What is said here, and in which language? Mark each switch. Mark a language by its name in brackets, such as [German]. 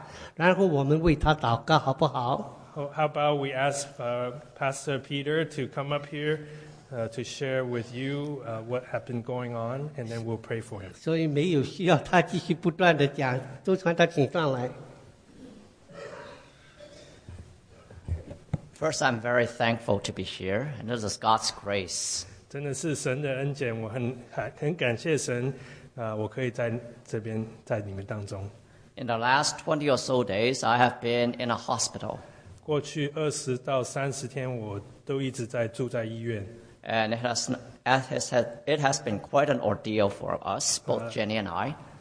[Chinese] 所以我想请周传道来在这里跟大家大概分享一下，然后我们为他祷告，好不好？ [English] How about we ask Pastor Peter to come up here to share with you what had been going on, and then we'll pray for him. First, I'm very thankful to be here, and this is God's grace. [Chinese] 真的是神的恩典，我很感谢神，我可以在这边在你们当中。 [English] In the last 20 or so days, I have been in a hospital. [Chinese] 过去20到30天，我都一直在住在医院。 [English] And it has been quite an ordeal for us, both Jenny and I.